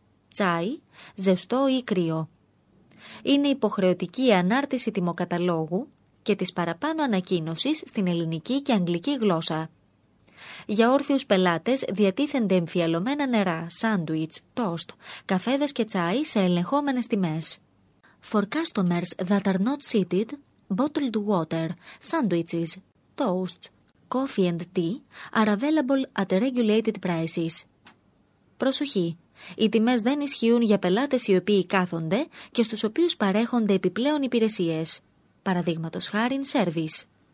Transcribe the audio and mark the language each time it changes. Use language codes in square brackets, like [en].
[el] Τσάι, ζεστό ή κρύο. Είναι υποχρεωτική η ανάρτηση τιμοκαταλόγου και της παραπάνω ανακοίνωσης στην ελληνική και αγγλική γλώσσα. Για όρθιους πελάτες διατίθενται εμφιαλωμένα νερά, σάντουιτς, τόστ, καφέδες και τσάι σε ελεγχόμενες τιμές. [en] For customers that are not seated, bottled water, sandwiches, toasts, coffee and tea are available at regulated prices. [el] Προσοχή! Οι τιμές δεν ισχύουν για πελάτες οι οποίοι κάθονται και στους οποίους παρέχονται επιπλέον υπηρεσίες. Παραδείγματος χάριν, service.